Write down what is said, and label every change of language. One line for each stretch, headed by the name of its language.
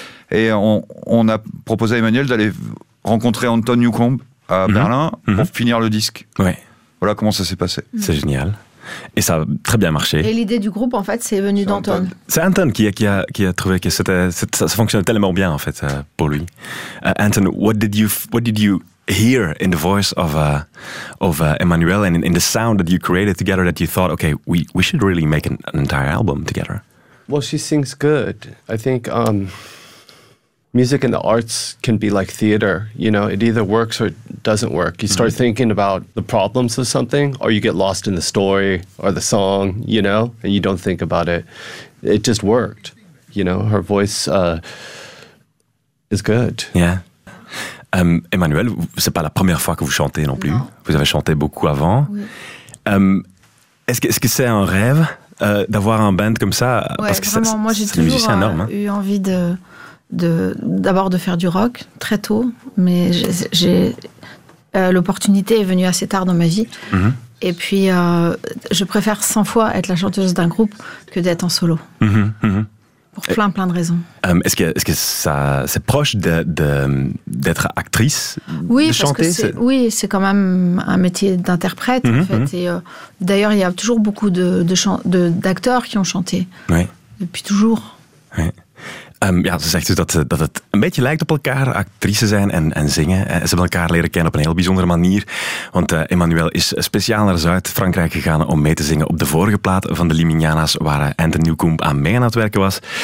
French: Et on a proposé à Emmanuel d'aller rencontrer Anton Newcomb à Berlin pour finir le disque. Ouais. Voilà comment ça s'est passé. C'est génial. Et ça a très bien marché. Et l'idée du groupe, en fait, c'est venue d'Anton. C'est Anton qui a trouvé que ça fonctionnait tellement bien, en fait, pour lui.
English: Anton, what did you hear in the voice of Emmanuel and in the sound that you created together that you thought, okay, we should really make an entire album together? Well, she sings good. I think music and the arts can be like theater, you know, it either works or it doesn't work. You start thinking about the problems of something or you get lost in the story or the song, you know, and you don't think about it. It just worked, you know, her voice is good. Yeah.
French: Emmanuel, c'est pas la première fois que vous chantez non plus. Non. Vous avez chanté beaucoup avant. Oui. Est-ce que c'est un rêve d'avoir un band comme ça? Ouais, parce que vraiment, moi j'ai toujours musicien énorme, hein. Eu envie de... D'abord de faire du rock, très tôt, mais l'opportunité est venue assez tard dans ma vie. Mmh. Et puis, je préfère 100 fois être la chanteuse d'un groupe que d'être en solo. Pour plein de raisons. Est-ce que ça, c'est proche d'être actrice, oui, de chanter? Parce que c'est quand même un métier d'interprète. Mmh. En fait. Et, d'ailleurs, il y a toujours beaucoup d'acteurs qui ont chanté. Oui. Depuis toujours. Oui.
Dutch: Ja, ze zegt dus dat het een beetje lijkt op elkaar, actrice zijn en zingen. Ze hebben elkaar leren kennen op een heel bijzondere manier. Want Emmanuel is speciaal naar Zuid-Frankrijk gegaan om mee te zingen op de vorige plaat van de Limignanas, waar Anthony Newcomb aan mee aan het werken was.